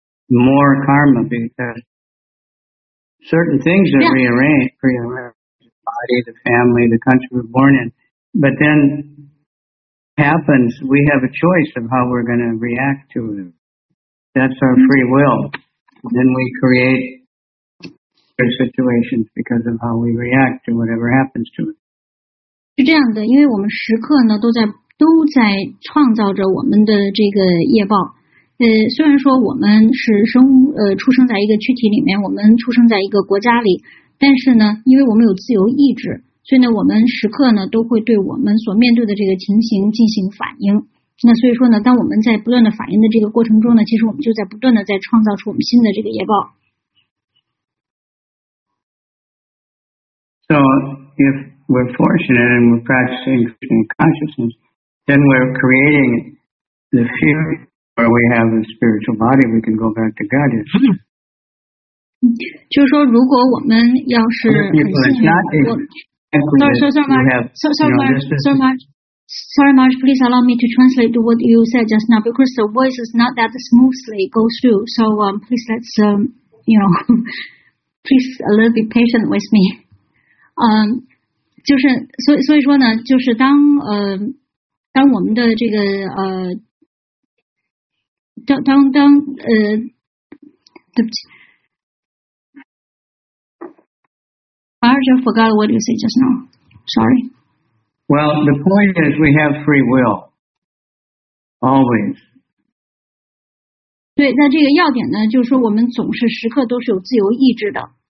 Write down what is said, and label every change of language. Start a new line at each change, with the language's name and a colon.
English: More karma because certain things are prearranged, body, the family, the country we're born in. But then happens, we have a choice of how we're going to react to it. That's our free will. Then we create situations because of how we react to whatever happens to it.
Chinese: 是这样的，因为我们时刻呢都在创造着我们的这个业报。虽然说我们是出生在一个躯体里面，我们出生在一个国家里，但是呢，因为我们有自由意志，所以呢，我们时刻呢都会对我们所面对的这个情形进行反应。那所以说呢，当我们在不断的反应的这个过程中呢，其实我们就在不断的在创造出我们新的这个业报。
English: So if we're fortunate and we're practicing consciousness, then we're creating the future. Or we have a spiritual body, we can go back to Godhead.
Chinese: 就是说，如果我们要是很幸运，那说什么？说什么？说什么？
English: Sorry, Marge, please allow me to translate what you said just now because the voice is not that smoothly goes through. So please let's, you know, please a little bit patient with me.
Chinese: 就是所以说呢，就是当我们的这个对不起。
English: Marge, I forgot what you said just now. Sorry. Well, the point is we have free will, always.
Chinese: 对，那这个要点呢，就是说我们总是时刻都是有自由意志的。